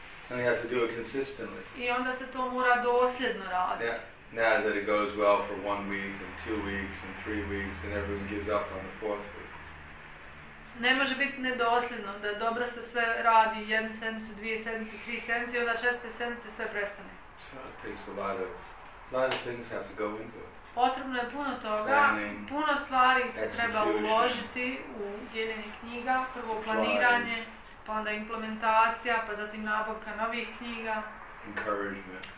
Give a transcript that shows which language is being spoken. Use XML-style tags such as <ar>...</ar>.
<en>And you have to do it consistently.</en> <bs>I onda se to mora dosljedno raditi.</bs> <en>Yeah. Now that it goes well for 1 week and 2 weeks and 3 weeks and everyone gives up on the fourth week.</en> <bs>Ne može biti nedosljedno da dobro se sve radi jednu sedmicu, dvije sedmice, tri sedmice i onda četvrte sedmice sve prestane.</bs> <en>So it takes a lot of things have to go into it.</en> <bs>Potrebno je puno toga,</bs> <en>planning,</en> <bs>puno stvari se treba uložiti u dijeljenje knjiga, prvo planiranje, pa onda implementacija, pa zatim nabavka novih knjiga.</bs> <en>Encouragement.</en>